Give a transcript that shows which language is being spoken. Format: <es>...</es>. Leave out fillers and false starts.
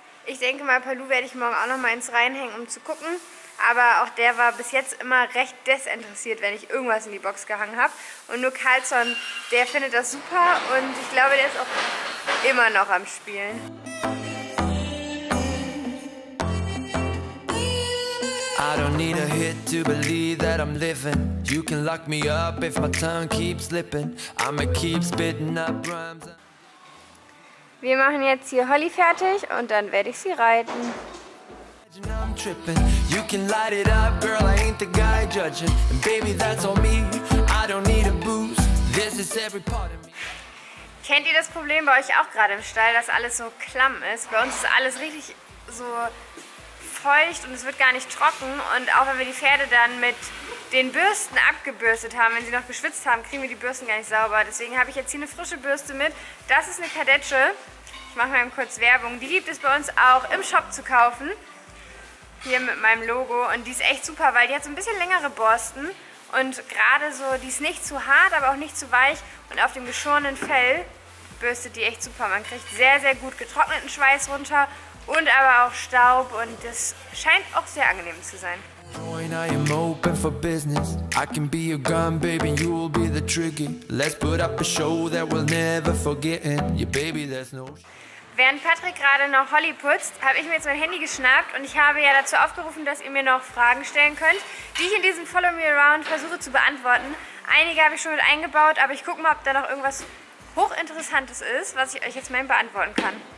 <de>Ich denke mal, Palu werde ich morgen auch noch mal eins reinhängen, um zu gucken. Aber auch der war bis jetzt immer recht desinteressiert, wenn ich irgendwas in die Box gehangen habe. Und nur Carlson, der findet das super und ich glaube, der ist auch immer noch am Spielen.</de> <en>I don't need a hit to believe that I'm living. You can lock me up if my tongue keeps slipping. I'ma keep spitting up rhymes.</en> <de>Wir machen jetzt hier Holly fertig und dann werde ich sie reiten.</de> <en>I'm tripping. You can light it up, girl. I ain't the guy judging. And baby, that's on me. I don't need a boost. This is every part of me.</en> <de>Kennt ihr das Problem bei euch auch gerade im Stall, dass alles so klamm ist? Bei uns ist alles richtig so feucht und es wird gar nicht trocken. Und auch wenn wir die Pferde dann mit den Bürsten abgebürstet haben, wenn sie noch geschwitzt haben, kriegen wir die Bürsten gar nicht sauber. Deswegen habe ich jetzt hier eine frische Bürste mit. Das ist eine Kadetsche. Ich mache mal eben kurz Werbung. Die gibt es bei uns auch im Shop zu kaufen. Hier mit meinem Logo. Und die ist echt super, weil die hat so ein bisschen längere Borsten. Und gerade so, die ist nicht zu hart, aber auch nicht zu weich. Und auf dem geschorenen Fell bürstet die echt super. Man kriegt sehr, sehr gut getrockneten Schweiß runter und aber auch Staub. Und das scheint auch sehr angenehm zu sein.</de> <en>I am open for business. I can be your gun, baby, you will be the trigger. Let's put up a show that we'll never forget. Yeah, baby, there's no...</en> <de>Während Patrick gerade noch Holly putzt, habe ich mir jetzt mein Handy geschnappt und ich habe ja dazu aufgerufen, dass ihr mir noch Fragen stellen könnt, die ich in diesem Follow Me Around versuche zu beantworten. Einige habe ich schon mit eingebaut, aber ich gucke mal, ob da noch irgendwas Hochinteressantes ist, was ich euch jetzt mal beantworten kann.</de>